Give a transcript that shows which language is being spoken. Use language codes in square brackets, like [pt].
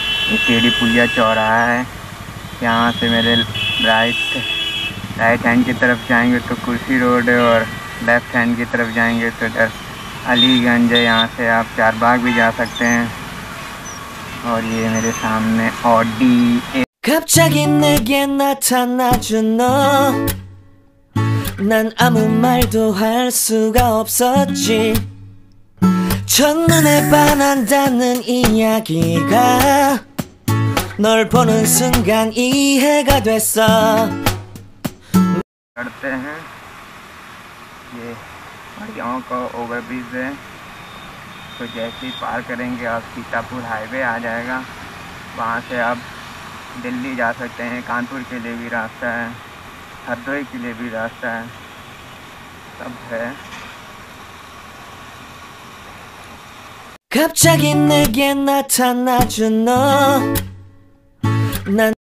[hi] ये टेढ़ी पुलिया चौराहा है। यहाँ से मेरे राइट हैंड की तरफ जाएंगे तो कुर्सी रोड है, और लेफ्ट हैंड की तरफ जाएंगे तो इधर अलीगंज है। यहाँ से आप चारबाग भी जा सकते हैं। और ये मेरे सामने ऑडी ए। [ko] 갑자기 내게 나타나준 너, 난 아무 말도 할 수가 없었지. 첫눈에 반한다는 이야기가 널 보는 순간 이해가 됐어. [hi] करते हैं। ये मड़ियाओं का ओवरब्रिज है, तो जैसे ही पार करेंगे आप सीतापुर हाईवे आ जाएगा। वहाँ से आप दिल्ली जा सकते हैं। कानपुर के लिए भी रास्ता है, हरदोई के लिए भी रास्ता है, सब है। [ko] 갑자기 내게 나타나준 너, 난